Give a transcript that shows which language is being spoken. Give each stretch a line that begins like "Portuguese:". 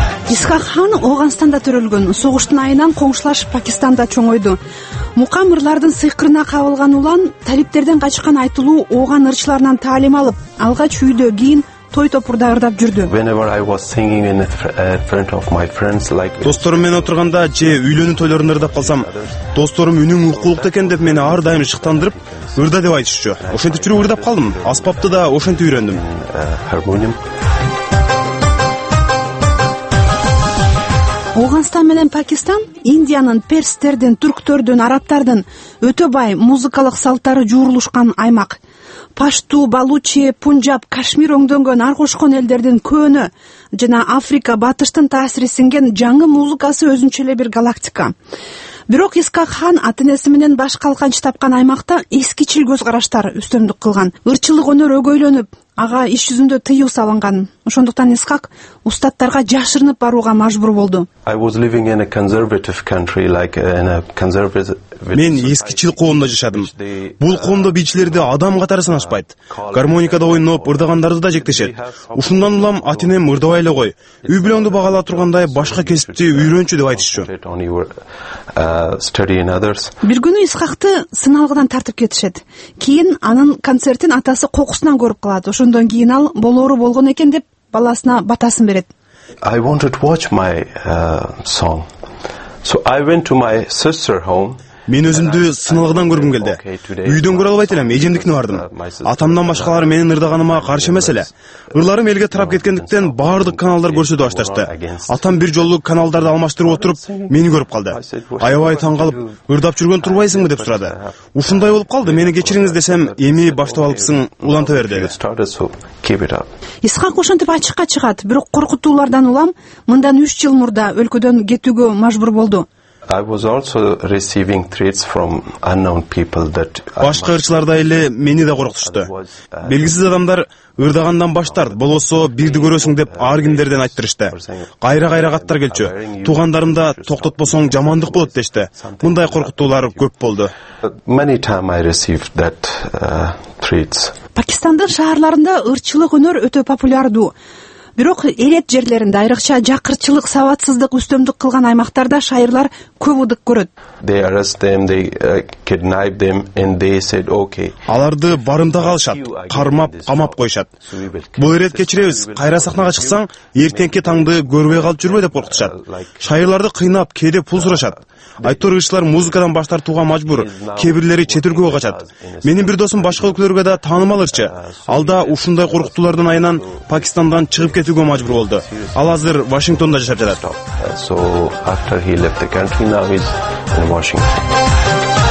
Kyrgyz: Исхак хан Ооганстанда төрөлгөн, согуштун айынан коңшулашып Пакистанда чоңойду. Мукам ырлардын сыйкырына кабылган улан талиптерден качкан айтылуу ооган ырчыларынан таалим алып, алгач үйдө, кийин той топурда ырдап жүрдү.
English: Whenever I was singing in front of my friends like
Kyrgyz: досторум менен отурганда же үйлөнүү тойлорунда ырдап калсам, досторум үнүң укулукту экен деп мени ар дайым шыктандырып, ырда деп айтышчу. Ошентип жүрүп ырдап калдым. Аспапты да ошентип үйрөндүм.
English: Harmonium.
Kyrgyz: Ооганстан менен Пакистан Индиянын персттердин, түрктөрдүн, арабтардын өтө бай музыкалык салттары жуурулушкан аймак. Пашту, Балучи, Пунджаб, Кашмир өңдөнгөн ар кошкон элдердин көөнү жана Африка батыштын таасири сиңген жаңы музыкасы өзүнчө эле бир галактика. Бирок Исхак хан ата энеси менен баш калканч тапкан аймакта эскичил көз караштар үстөмдүк кылган. Ырчылык өнөр өгөйлөнүп, ага иш жүзүндө тыюу салынган. Ошондуктан Исхак устаттарга жашырынып барууга мажбур болду.
English: I was living in a conservative country like in a conservative.
Kyrgyz: Мен эскичил коомдо жашадым. Бул коомдо бийчилерди адам катары санашпайт. Гармоникада ойноп, ырдагандарды да жектешет. Ушундан улам ата энем ырдабай эле кой, үй бүлөңдү багалап тургандай башка кесипти үйрөнчү деп айтышчу. Бир күнү Исхакты сыналгыдан тартып кетишет. Кийин анын концертин атасы кокусунан көрүп калат. Ошондон кийин ал болоору болгон экен деп баласына батасын берет.
English: I wanted to watch my song. So I went to my sister's home.
Kyrgyz: Мен өзүмдү сыналгыдан көргүм келди. Үйдөн көрө албайт элем, эжемдикине бардым. Атамдан башкалар менин ырдаганыма каршы эмес эле. Ырларым элге тарап кеткендиктен баардык каналдар көрсөтө башташты. Атам бир жолу каналдарды алмаштырып отуруп, мени көрүп калды. Аябай таң калып, ырдап жүргөн турбайсыңбы деп сурады. Ушундай болуп калды, мени кечириңиз десем, эми баштап алыпсың, уланта бер деди. Исхак ошентип ачыкка чыгат, бирок коркутуулардан улам мындан 3 жыл мурда өлкөдөн кетүүгө мажбур болду.
English: I was also receiving threats from unknown people that
Kyrgyz: башка ырчылардай эле мени да коркутушту. Белгисиз адамдар ырдагандан баш тарт, болбосо бирди көрөсүң деп ар кимдерден айттырышты. Кайра-кайра каттар келчү. Туугандарымда токтотпосоң жамандык болот дешти. Мындай коркутуулар көп болду.
English: Many time I received that threats.
Kyrgyz: Пакистандын шаарларында ырчылык өнөр өтө популярдуу. Бирок элет жерлеринде айрыкча жакырчылык сабатсыздык үстөмдүк кылган аймактарда шайырлар көп ыдык көрөт.
English: They arrest them, they kidnap them and they said okay.
Kyrgyz: Аларды барымтага алышат, кармап, камап коюшат. Бул элет кечиребиз, кайра сахнага чыксаң, эртеңки таңды көрбөй калып жүрбө деп коркутушат. Шайырларды кыйнап, кээде пул сурашат. Айтор ырчылар музыкадан баш тартууга мажбур, кээ бирлери чет өлкөгө качат. Менин бир досум башка өлкөлөргө да таанымал ырчы. Ал да ушундай коркутуулардын айынан Пакистандан чыгып кетүүгө мажбур болду. Ал азыр Вашингтондо жашап жатат.
English: So after he left the country, now he's in Washington.